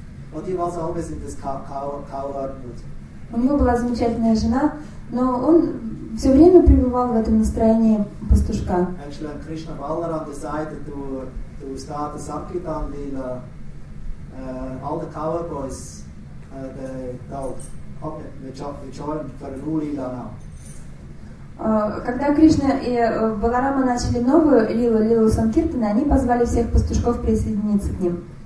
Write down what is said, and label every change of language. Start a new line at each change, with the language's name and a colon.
English: But he was always in this cowherd mood.
Russian: У него была замечательная жена, но он все время пребывал в этом настроении пастушка.
English: Actually, when Krishna Balaram decided to start the Sankirtan Lila, all the cowherd boys, they joined for the new Lila now.
Russian: Когда Кришна и Баларама начали новую лилу, лилу Санкиртаны, они позвали всех пастушков присоединиться к ним.